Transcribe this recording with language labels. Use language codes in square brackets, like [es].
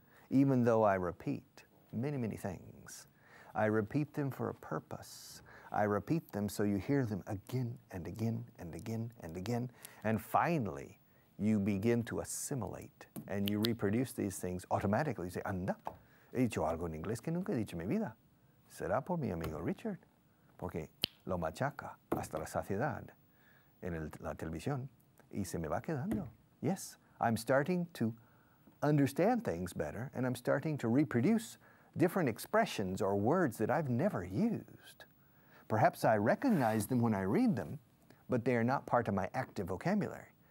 [en] Even though I repeat many, many things, I repeat them for a purpose. I repeat them so you hear them again and again and again and again. And finally, you begin to assimilate and you reproduce these things automatically. You say, [es] anda, he dicho algo en inglés que nunca he dicho en mi vida. Será por mi amigo Richard, porque lo machaca hasta la saciedad en la televisión y se me va quedando. [en] Yes, I'm starting to understand things better and I'm starting to reproduce different expressions or words that I've never used. Perhaps I recognize them when I read them, but they are not part of my active vocabulary.